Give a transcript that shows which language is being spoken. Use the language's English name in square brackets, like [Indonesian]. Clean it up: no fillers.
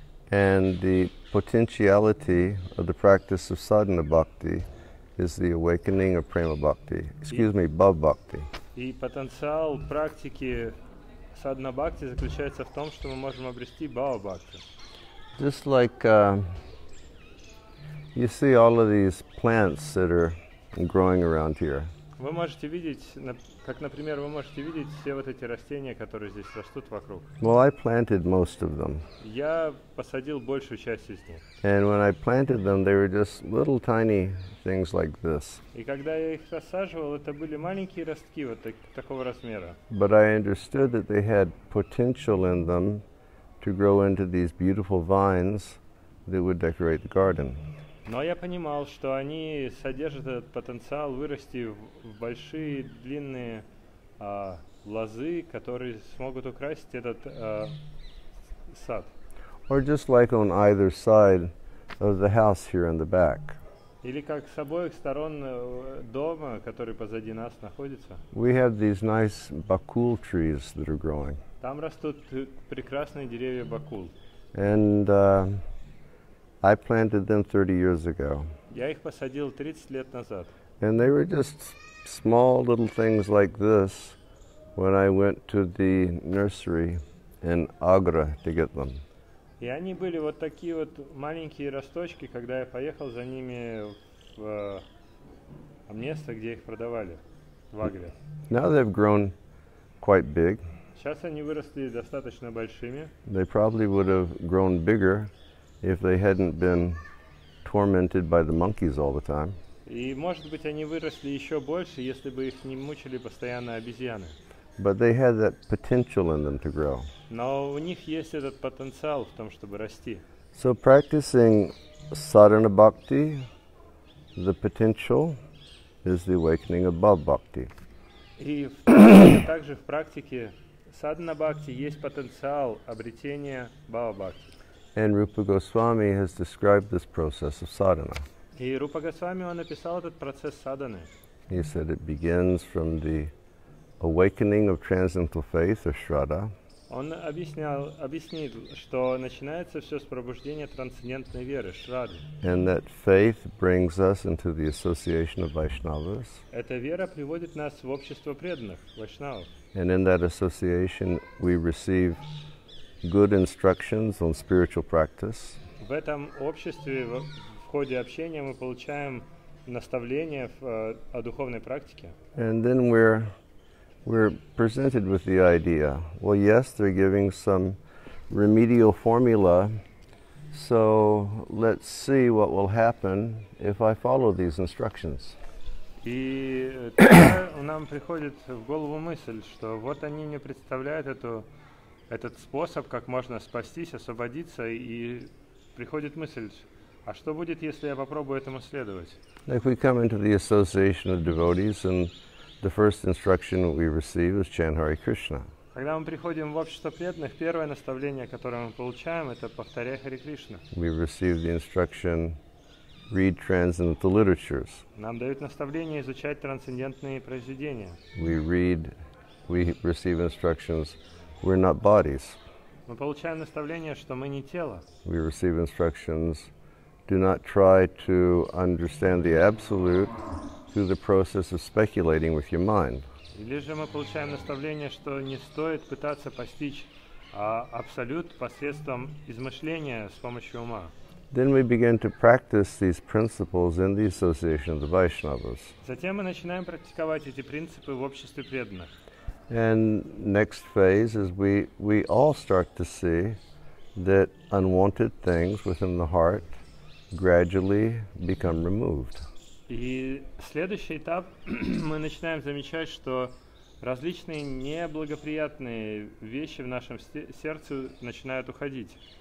[English] And the potentiality of the practice of Sadhana Bhakti is the awakening of Prema Bhakti. Excuse me, Bhav Bhakti. [Russian] И потенциал практики садхана бхакти заключается в том, что мы можем обрести бхава бхакти. [English] Just like you see all of these plants that are growing around here. [Russian] Вы можете видеть, как, например, вы можете видеть все вот эти растения, которые здесь растут вокруг. [English] Well, I planted most of them. [Russian] Я посадил большую часть из них. [English] And when I planted them, they were just little tiny things like this. [Russian] И когда я их рассаживал, это были маленькие ростки вот такого размера. [English] But I understood that they had potential in them to grow into these beautiful vines that would decorate the garden. [Russian] Но я понимал, что они содержат этот потенциал вырасти в большие длинные лозы, которые смогут украсить этот сад. [English] Or just like on either side of the house here in the back. [Russian] Или как с обоих сторон дома, который позади нас находится. [English] We have these nice bakul trees that are growing. [Russian] Там растут прекрасные деревья бакул. [English] And I planted them 30 years ago. [Russian] Я их посадил 30 лет назад. [English] And they were just small little things like this when I went to the nursery in Agra to get them. [Russian] И они были вот такие вот маленькие росточки, когда я поехал за ними в место, где их продавали, в Агре. [English] Now they've grown quite big. [Russian] Сейчас они выросли достаточно большими. [English] They probably would have grown bigger if they hadn't been tormented by the monkeys all the time. [Russian] И может быть они выросли еще больше, если бы их не мучили постоянно обезьяны. [English] But they had that potential in them to grow. [Russian] Но у них есть этот потенциал в том, чтобы расти. [English] So practicing sadhana bhakti, the potential is the awakening of bhava bhakti. [Russian] И также в практике sadhana bhakti есть потенциал обретения bhava bhakti. [English] And Rupa Goswami has described this process of sadhana. [Russian] И Рупа Госвами он описал этот процесс садханы. [English] He said it begins from the awakening of transcendental faith or shraddha. [Russian] Он объяснил, что начинается все с пробуждения трансцендентной веры, шрадды. [English] And that faith brings us into the association of Vaishnavas. [Russian] Эта вера приводит нас в общество преданных, вайшнавов. [English] And in that association we receive good instructions on spiritual practice. [Russian] В этом обществе в ходе общения мы получаем наставления о духовной практике. [English] And then we're presented with the idea. Well, yes, they're giving some remedial formula. So, let's see what will happen if I follow these instructions. [Russian] И нам приходит в голову мысль, что вот они мне представляют этот способ, как можно спастись, освободиться, и приходит мысль, а что будет, если я попробую этому следовать? [English] If we come into the association of devotees, and the first instruction we receive is chant Hare Krishna. [Russian] Когда мы приходим в общество преданных, первое наставление, которое мы получаем, это повторяй Харе Кришна. [English] We receive the instruction, read transcendental literatures. [Russian] Нам дают наставление изучать трансцендентные произведения. [English] We receive instructions, we're not bodies. [Russian] Мы получаем наставление, что мы не тело. [English] We receive instructions, do not try to understand the absolute through the process of speculating with your mind. [Russian] Или же мы получаем наставление, что не стоит пытаться постичь абсолют посредством измышления с помощью ума. [English] Then we begin to practice these principles in the association of the Vaishnavas. [Russian] Затем мы начинаем практиковать эти принципы в обществе преданных. [English] And next phase is we all start to see that unwanted things within the heart gradually become removed. [Russian] И следующий этап мы начинаем замечать, что различные неблагоприятные вещи в нашем сердце начинают уходить.